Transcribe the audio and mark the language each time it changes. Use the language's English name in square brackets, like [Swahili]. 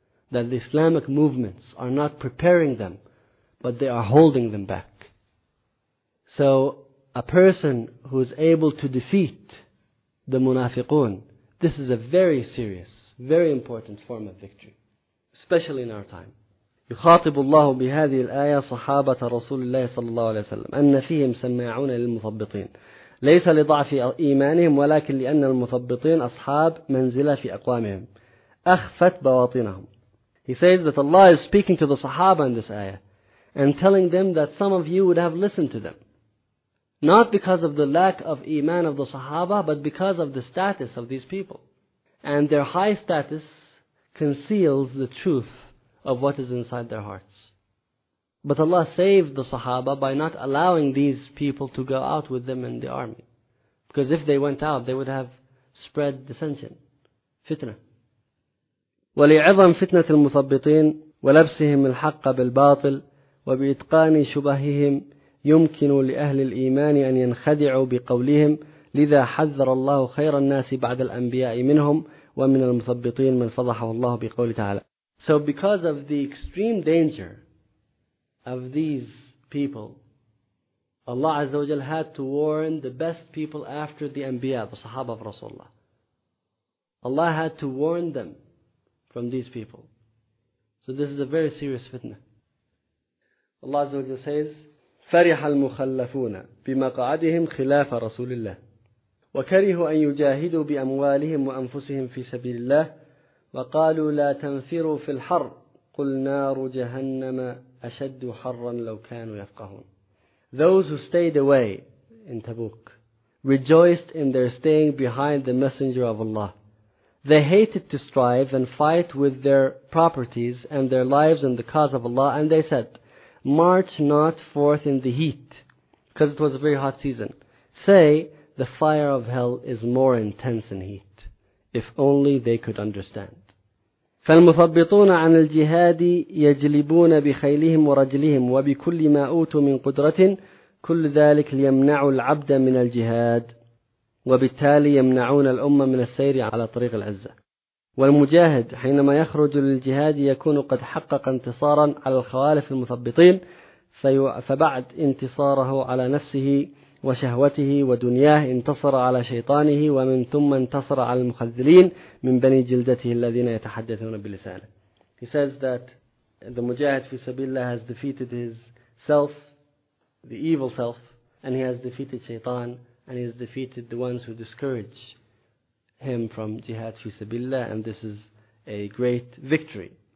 [English] That the Islamic movements are not preparing them, but they are holding them back. So, a person who is able to defeat the munafiqun, this is a very serious, very important form of victory. Especially in our time. [Arabic] يخاطب الله بهذه الآية صحابة رسول الله صلى الله عليه وسلم أن فيهم سماعون للمثبطين ليس لضعف إيمانهم ولكن لأن المثبطين أصحاب منزلة في أقوامهم أخفت بواطنهم. [English] He says that Allah is speaking to the Sahaba in this ayah and telling them that some of you would have listened to them. Not because of the lack of iman of the Sahaba, but because of the status of these people. And their high status conceals the truth of what is inside their hearts. But Allah saved the Sahaba by not allowing these people to go out with them in the army. Because if they went out, they would have spread dissension, fitna. [Arabic] وَلِعِظَمْ فِتْنَةِ الْمُثَبِّطِينَ وَلَبْسِهِمْ الْحَقَّ بِالْبَاطِلِ وَبِإِتْقَانِ شُبَهِهِمْ يُمْكِنُ لِأَهْلِ الْإِيمَانِ أَنْ يَنْخَدِعُوا بِقَوْلِهِمْ لِذَا حَذَّرَ اللَّهُ خَيْرَ النَّاسِ بَعْدَ الْأَنْبِيَاءِ مِنْهُمْ وَمِنَ الْمُثَبِّطِينَ مَنْ فَضَحَهُ اللَّهُ بِقَوْلِ تَعَالَى [English] So because of the extreme danger of these people, Allah Azza wa Jalla had to warn the best people after the Anbiya, the Sahaba of Rasulullah. Allah had to warn them from these people. So this is a very serious fitna. Allah Azza wa Jalla says, [Arabic] فَرِحَ الْمُخَلَّفُونَ بِمَقَعَدِهِمْ خِلَافَ رَسُولِ اللَّهِ وَكَرِهُ أَنْ يُجَاهِدُوا بِأَمْوَالِهِمْ وَأَنفُسِهِمْ فِي سَبِيلِ اللَّهِ وَقَالُوا لَا تَنْفِرُوا فِي الْحَرِّ قُلْ نَارُ جَهَنَّمَ أَشَدُّ حَرًّا لَوْ كَانُوا يَفْقَهُونَ [English] Those who stayed away in Tabuk rejoiced in their staying behind the Messenger of Allah. They hated to strive and fight with their properties and their lives in the cause of Allah, and they said, March not forth in the heat, because it was a very hot season. Say, the fire of hell is more intense than heat. If only they could understand. [Arabic] فَالْمُثَبِّطُونَ عَنِ الْجِهَادِ يَجْلِبُونَ بِخَيْلِهِمْ وَرَجْلِهِمْ وَبِكُلِّ مَا أُوتُوا مِنْ قُدْرَةٍ كُلْ ذَلِكَ لِيَمْنَعُوا الْعَبْدَ مِنَ الْجِهَادِ وَبِالتَّالِي يَمْنَعُونَ الْأُمَّةَ مِنَ السَّيْرِ عَلَى طَرِيقِ الْعِزَّةِ والمجاهد حينما يخرج للجهاد يكون قد حقق انتصارا على الخوالف المثبطين فبعد انتصاره على نفسه وشهوته ودنياه انتصر على شيطانه ومن ثم انتصر على المخذلين من بني جلدته الذين يتحدثون بلسانه. [English] He says that the mujahid fi sabilillah has defeated his self, the evil self, and he has defeated shaitan, and he has defeated the ones who discourage him from jihad fi sabilillah, and this is a great victory.